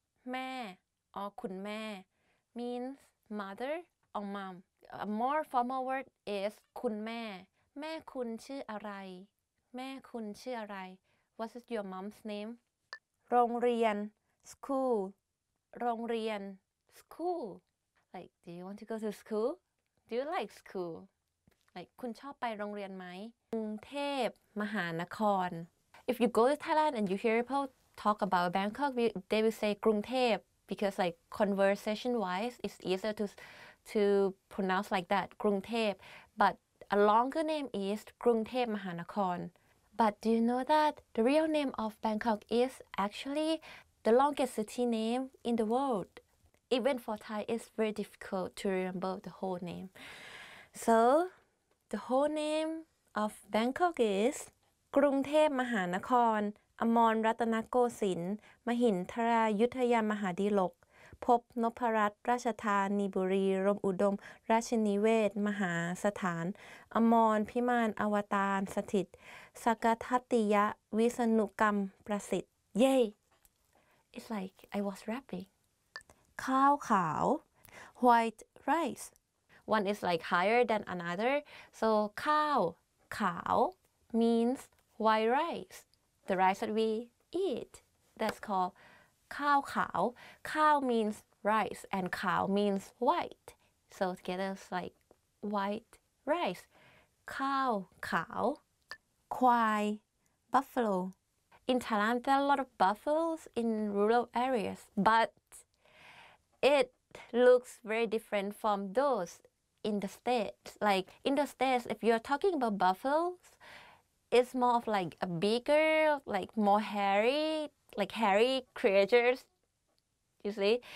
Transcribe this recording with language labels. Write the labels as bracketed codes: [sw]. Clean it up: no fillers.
[en] แม่ or คุณแม่ means mother or mom a more formal word is คุณแม่ [th] แม่คุณชื่ออะไรแม่คุณชื่ออะไร [en] What's your mom's name [th] โรงเรียน [en] school โรงเรียน school like do you want to go to school do you like school like [th] คุณชอบไปโรงเรียนไหม กรุงเทพมหานคร [en] if you go to Thailand and you hear people talk about Bangkok they will say กรุงเทพ because like conversation wise it's easier to pronounce like that กรุงเทพ butA longer name is Krung Thep Mahanakhon. But do you know that the real name of Bangkok is actually the longest city name in the world? Even for Thai, it's very difficult to remember the whole name. So, the whole name of Bangkok is [th] Krung Thep Mahanakhon Amon Ratanakosin Mahintra Yuthaya Mahadilokพบนพรัตน์ราชธานีบุรีรมอุดมราชนิเวศมหาสถานอมรพิมานอวตารสถิตสกทัตติยะวิษณุกรรมประสิทธิ์ [en] Yay! It's like I was rapping. ข้าวขาว White rice. One is like higher than another. So ข้าวขาว means white rice. The rice that we eat. That's calledข้าวขาว ข้าว means rice and ขาว means white so together it's like white rice ข้าวขาว ควาย buffalo in Thailand there are a lot of buffaloes in rural areas but it looks very different from those in the states like in the states if you're talking about buffaloes it's more of like a bigger like more hairy creatures, you see?